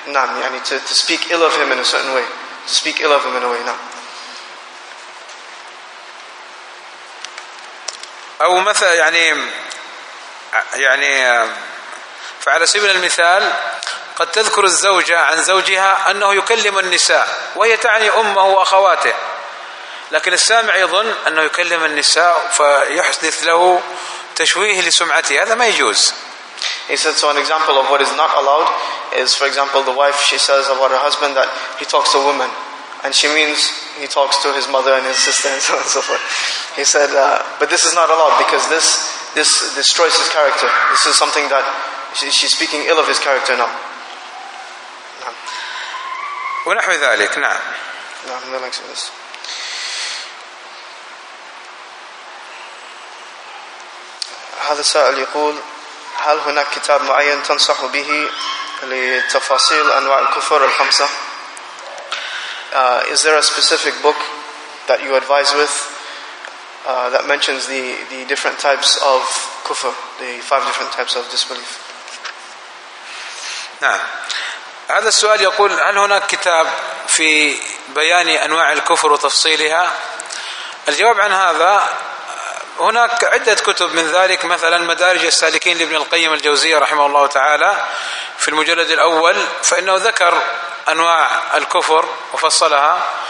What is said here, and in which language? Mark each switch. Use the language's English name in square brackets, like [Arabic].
[Arabic] نعم, يعني [English] to speak ill of him in a certain way. Speak ill of him in a way, no. [Arabic] أو مثلا يعني فعلى سبيل المثال قد تذكر الزوجة عن زوجها أنه يكلم النساء, وهي تعني أمه وأخواته, لكن السامع يظن أنه يكلم النساء فيحدث له تشويه لسمعته, هذا ما يجوز. [English] He said, so an example of what is not allowed is, for example, the wife, she says about her husband that he talks to women, and she means he talks to his mother and his sister and so on and so forth. He said, but this is not allowed because this destroys his character. This is something that she's speaking ill of his character now. [Arabic] نعم. ونحو ذلك. نعم. نعم. [English] The next verse. [Arabic] هذا السائل يقول هل هناك كتاب معين تنصح به لتفاصيل أنواع الكفر الخمسة؟ [English] Is there a specific book that you advise with that mentions the different types of kufr, the five different types of disbelief? [Arabic] نعم. هذا السؤال يقول هل هناك كتاب في بيان أنواع الكفر وتفصيلها؟ الجواب عن هذا هناك عدة كتب من ذلك، مثلا مدارج السالكين لابن القيم الجوزية رحمه الله تعالى في المجلد الأول، فإنه ذكر أنواع الكفر وفصلها.